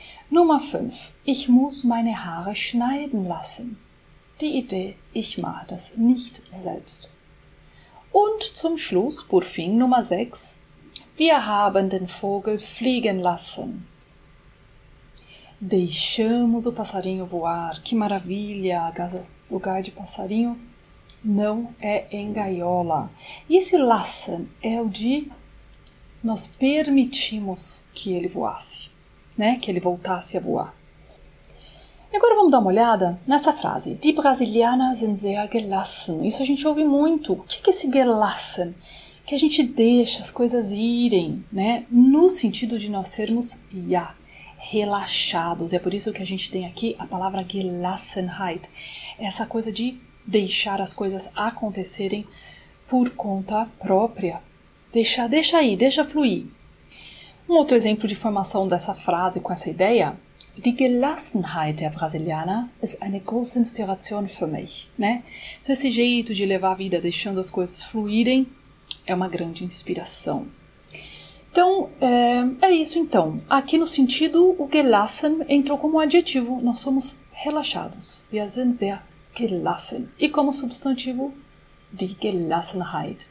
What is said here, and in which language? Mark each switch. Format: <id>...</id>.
<de>Nummer 5. Ich muss meine Haare schneiden lassen. Die Idee, ich mache das nicht selbst. Und zum Schluss,</de> <pt>por fim,</pt> <de>Nummer 6. Wir haben den Vogel fliegen lassen.</de> <pt>Deixamos o passarinho voar. Que maravilha, lugar de passarinho. Não é em gaiola. E esse lassen é o de nós permitimos que ele voasse, né? Que ele voltasse a voar. E agora vamos dar uma olhada nessa frase.</pt> <de>Die Brasilianer sind sehr gelassen.</de> <pt>Isso a gente ouve muito. O que é esse gelassen? Que a gente deixa as coisas irem, né? No sentido de nós sermos ja, relaxados. É por isso que a gente tem aqui a palavra gelassenheit. Essa coisa de deixar as coisas acontecerem por conta própria. Deixa aí, deixa fluir. Um outro exemplo de formação dessa frase com essa ideia.</pt> <de>Die Gelassenheit der Brasilianer ist eine große Inspiration für mich.</de> <pt>Né? Então, esse jeito de levar a vida deixando as coisas fluírem é uma grande inspiração. Então, é isso então. Aqui no sentido, o gelassen entrou como adjetivo. Nós somos relaxados.</pt> <de>Wir sind sehr gelassen.</de> <pt>E como substantivo, die Gelassenheit.</pt>